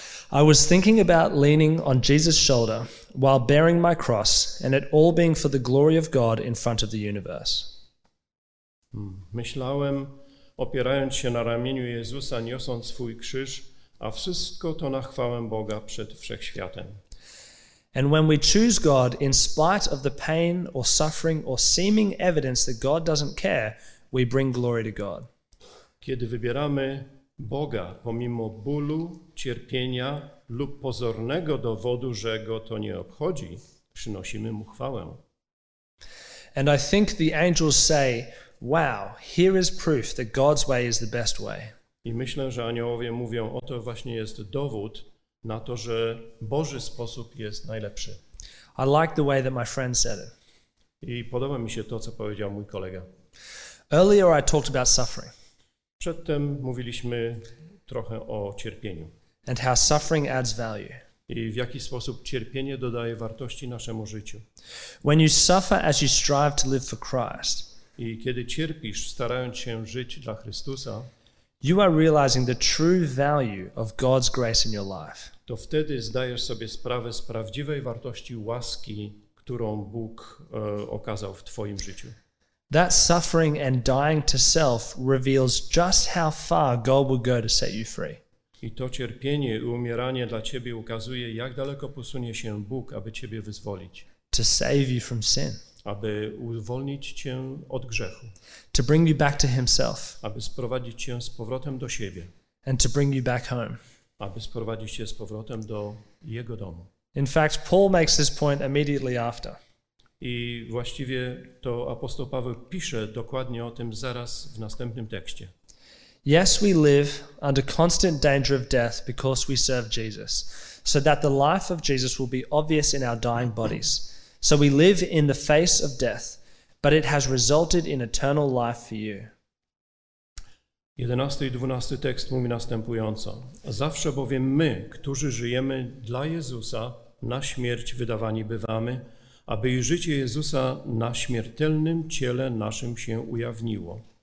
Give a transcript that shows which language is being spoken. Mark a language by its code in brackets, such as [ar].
[en] I was thinking about leaning on Jesus' shoulder while bearing my cross and it all being for the glory of God in front of the universe. [pl] Myślałem, opierając się na ramieniu Jezusa, niosąc swój krzyż, a wszystko to na chwałę Boga przed wszechświatem. [en] And when we choose God in spite of the pain or suffering or seeming evidence that God doesn't care, we bring glory to God. [pl] Kiedy wybieramy Boga pomimo bólu, cierpienia lub pozornego dowodu, że go to nie obchodzi, przynosimy mu chwałę. [en] And I think the angels say, wow, here is proof that God's way is the best way. [pl] I myślę, że aniołowie mówią, oto właśnie jest dowód na to, że Boży sposób jest najlepszy. [en] I like the way that my friend said it. [pl] I podoba mi się to, co powiedział mój kolega. [en] Earlier I talked about suffering. [pl] Przedtem mówiliśmy trochę o cierpieniu. [en] And how suffering adds value. [pl] I w jaki sposób cierpienie dodaje wartości naszemu życiu. [en] When you suffer as you strive to live for Christ. [pl] I kiedy cierpisz, starając się żyć dla Chrystusa, [en] you are realizing the true value of God's grace in your life. [pl] To wtedy zdajesz sobie sprawę z prawdziwej wartości łaski, którą Bóg okazał w twoim życiu. [en] That suffering and dying to self reveals just how far God will go to set you free. [pl] I to cierpienie i umieranie dla ciebie ukazuje, jak daleko posunie się Bóg, aby ciebie wyzwolić. [en] To save you from sin. [pl] Aby uwolnić cię od grzechu. [en] To bring you back to himself. [pl] Aby sprowadzić cię z powrotem do siebie. [en] And to bring you back home. [pl] Aby sprowadzić cię z powrotem do jego domu. [en] In fact, Paul makes this point immediately after. [pl] I właściwie to apostoł Paweł pisze dokładnie o tym zaraz w następnym tekście. [en] Yes, we live under constant danger of death because we serve Jesus, so that the life of Jesus will be obvious in our dying bodies. So we live in the face of death, but it has resulted in eternal life for you. [pl] 11 i 12 tekst mówi następująco. Zawsze bowiem my, którzy żyjemy dla Jezusa, na śmierć wydawani bywamy, aby i życie Jezusa na śmiertelnym ciele naszym się ujawniło.